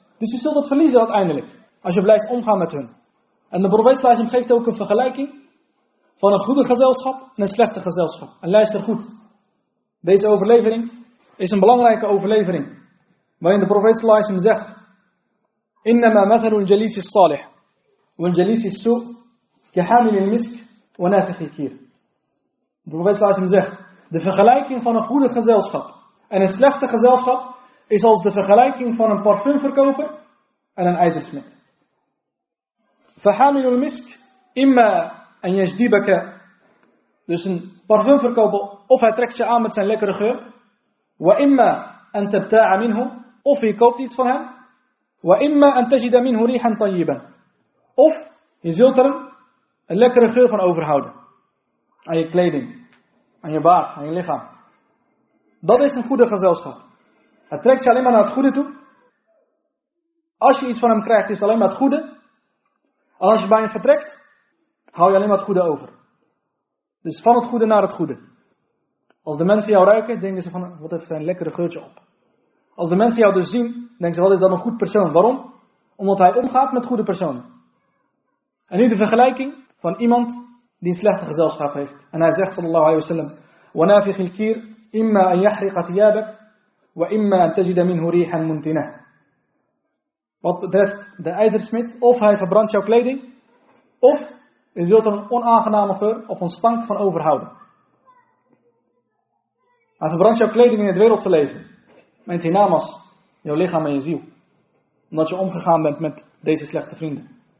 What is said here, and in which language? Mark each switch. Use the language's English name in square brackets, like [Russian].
[Dutch] Dus je zult het verliezen uiteindelijk. Als je blijft omgaan met hun. En de profeet Salaam geeft ook een vergelijking van een goede gezelschap en een slechte gezelschap. En luister goed. Deze overlevering is een belangrijke overlevering. Waarin de profeet Salaam zegt, [Arabic] innama mathalul jalisi salih. والجليس السوء كحامل المسك ونافخ الكير. [Dutch] De profeet laat hem zeggen, de vergelijking van een goede gezelschap en een slechte gezelschap is als de vergelijking van een parfumverkoper en een ijzersmid. [Arabic] فحامل المسك إما أن يجذبك, [Dutch] dus een parfumverkoper, of hij trekt je aan met zijn lekkere geur. [Arabic] وإما أن تبتاع منه, [Dutch] of je koopt iets van hem. [Arabic] وإما أن تجد منه ريحا طيبا, [Dutch] of je zult er een lekkere geur van overhouden aan je kleding, aan je baard, aan je lichaam. Dat is een goede gezelschap. Hij trekt je alleen maar naar het goede toe. Als je iets van hem krijgt, is het alleen maar het goede. Als je bij hem vertrekt, hou je alleen maar het goede over. Dus van het goede naar het goede. Als de mensen jou ruiken, denken ze van, wat heeft hij een lekkere geurtje op. Als de mensen jou dus zien, denken ze, wat is dat een goed persoon. Waarom? Omdat hij omgaat met goede personen. En nu de vergelijking van iemand die een slechte gezelschap heeft. En hij zegt, [Arabic] sallallahu alayhi wa sallam, وَنَافِخِ الْكِيرِ إِمَّا أَنْ يَحْرِقَ ثِيَابَكَ وَإِمَّا أَنْ تَجِدَ مِنْهُ رِيحًا مُنْتِنَةً. [Dutch] Wat betreft de ijzersmid, of hij verbrandt jouw kleding, of je zult er een onaangename geur of een stank van overhouden. Hij verbrandt jouw kleding in het wereldse leven, met die namas, jouw lichaam en je ziel, omdat je omgegaan bent met deze slechte vrienden.